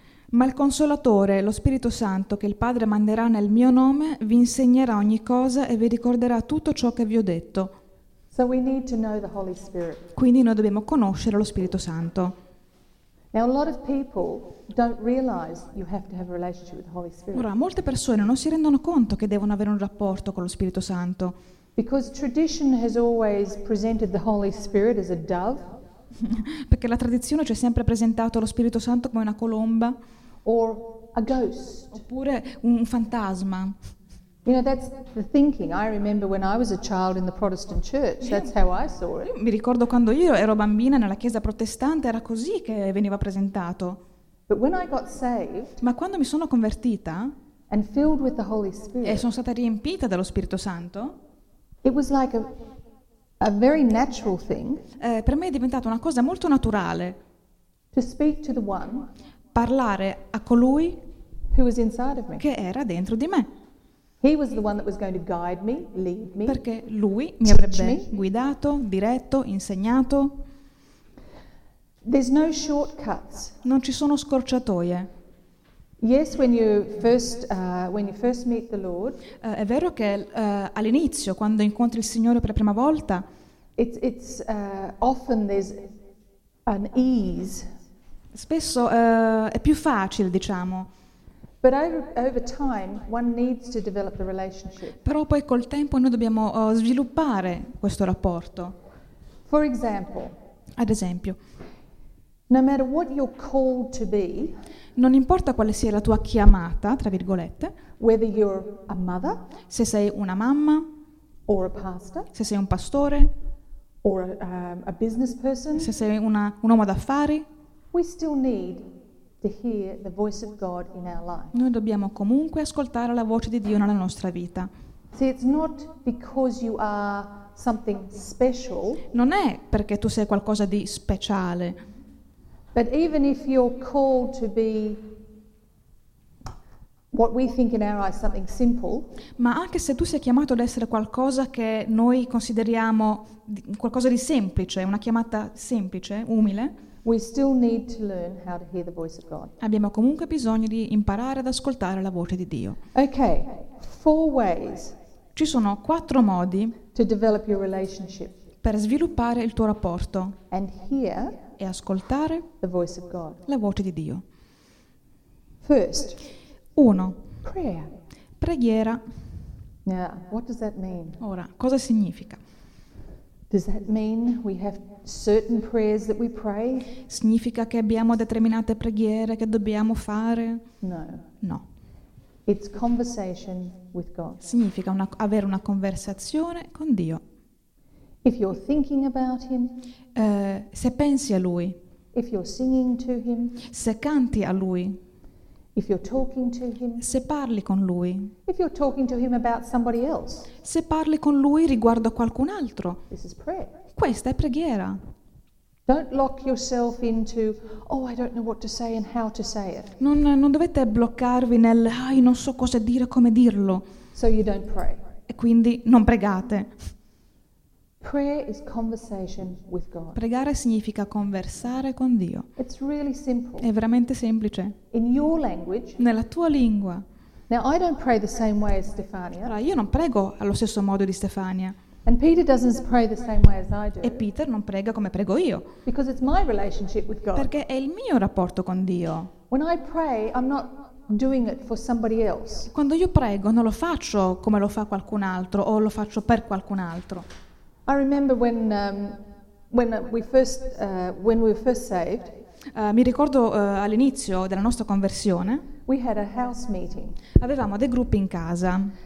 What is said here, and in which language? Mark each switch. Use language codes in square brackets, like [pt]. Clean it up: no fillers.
[it] Ma il Consolatore, lo Spirito Santo, che il Padre manderà nel mio nome, vi insegnerà ogni cosa e vi ricorderà tutto ciò che vi ho detto. [en] So we need to know the Holy Spirit. [it] Quindi noi dobbiamo conoscere lo Spirito Santo. [en] Now a lot of people don't realize you have to have a relationship with the Holy Spirit. [it] Ora molte persone non si rendono conto che devono avere un rapporto con lo Spirito Santo. [en] Because tradition has always presented the Holy Spirit as a dove. [it] Perché la tradizione ci ha sempre presentato lo Spirito Santo come una colomba. [en] Or a ghost. [it] Oppure un fantasma. [en] You know, that's the thinking. I remember when I was a child in the Protestant church, that's how I saw it. [it] Mi ricordo quando io ero bambina nella chiesa protestante, era così che veniva presentato. [en] But when I got saved, [it] ma quando mi sono convertita, [en] and filled with the Holy Spirit, [it] e sono stata riempita dello Spirito Santo, [en] it was like a very natural thing, [it] per me è diventata una cosa molto naturale, [en] to speak to the one, [it] parlare a colui [en] who was inside of me. [it] Che era dentro di me. [en] He was the one that was going to guide me, lead me. [it] Perché lui mi avrebbe guidato, diretto, insegnato. [en] There's no shortcuts. [it] Non ci sono scorciatoie. [en] Yes, when you first meet the Lord. [it] È vero che all'inizio, quando incontri il Signore per la prima volta, [en] it's often there's an ease. [it] Spesso è più facile, diciamo. [en] But over time one needs to develop the relationship. [it] Però poi col tempo noi dobbiamo sviluppare questo rapporto. [en] For example. [it] Ad esempio. [en] No matter what you're called to be, [it] non importa quale sia la tua chiamata, tra virgolette, [en] whether you're a mother, [it] se sei una mamma, [en] or a pastor, [it] se sei un pastore, [en] or a business person, [it] se sei un uomo d'affari, [en] we still need to hear the voice of God in our life. [it] Noi dobbiamo comunque ascoltare la voce di Dio nella nostra vita. [en] See, it's not because you are something special, [it] non è perché tu sei qualcosa di speciale. [en] But even if you're called to be what we think in our eyes something simple, [it] ma anche se tu sei chiamato ad essere qualcosa che noi consideriamo qualcosa di semplice, una chiamata semplice, umile, [en] we still need to learn how to hear the voice of God. [it] Abbiamo comunque bisogno di imparare ad ascoltare la voce di Dio. [en] Okay, four ways. [it] Ci sono quattro modi [en] to develop your relationship. [it] Per sviluppare il tuo rapporto. [en] And hear [it] e ascoltare [en] the voice of God. [it] La voce di Dio. [en] First, [it] uno, [en] prayer. [it] Preghiera. [en] Now, what does that mean? [it] Ora, cosa significa? [en] Does that mean we have certain prayers that we pray? [it] Significa che abbiamo determinate preghiere che dobbiamo fare? [en] No. [it] No. [en] It's conversation with God. [it] Significa avere una conversazione con Dio. [en] If you're thinking about him, [it] se pensi a lui, [en] if you're singing to him, [it] se canti a lui, [en] if you're talking to him, [it] se parli con lui, [en] if you're talking to him about somebody else, [it] se parli con lui riguardo a qualcun altro, [en] this is prayer. [it] Questa è preghiera. [en] Don't lock yourself into, oh, I don't know what to say and how to say it. [it] Non dovete bloccarvi nel, ah, non so cosa dire, come dirlo. [en] So you don't pray. [it] E quindi non pregate. [en] Prayer is conversation with God. [it] Pregare significa conversare con Dio. [en] It's really simple. [it] È veramente semplice. [en] In your language. [it] Nella tua lingua. [en] Now I don't pray the same way as Stefania. [it] Allora io non prego allo stesso modo di Stefania. [en] And Peter doesn't pray the same way as I do. [it] E Peter non prega come prego io. [en] Because it's my relationship with God. [it] Perché è il mio rapporto con Dio. [en] When I pray, I'm not doing it for somebody else. [it] Quando io prego, non lo faccio come lo fa qualcun altro o lo faccio per qualcun altro. [en] I remember when we were first saved. [it] Mi ricordo all'inizio della nostra conversione. [en] We had a house meeting. [it] Avevamo dei gruppi in casa.